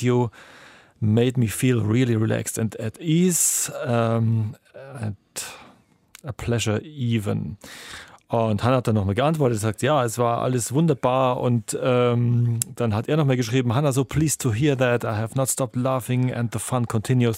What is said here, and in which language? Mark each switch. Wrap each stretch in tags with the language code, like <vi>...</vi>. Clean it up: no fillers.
<en>You made me feel really relaxed and at ease. And a pleasure even.</en> <de>Und Hannah hat dann nochmal geantwortet, sagt, ja, es war alles wunderbar. Und dann hat er nochmal geschrieben, Hannah,</de> <en>so pleased to hear that. I have not stopped laughing and the fun continues.</en>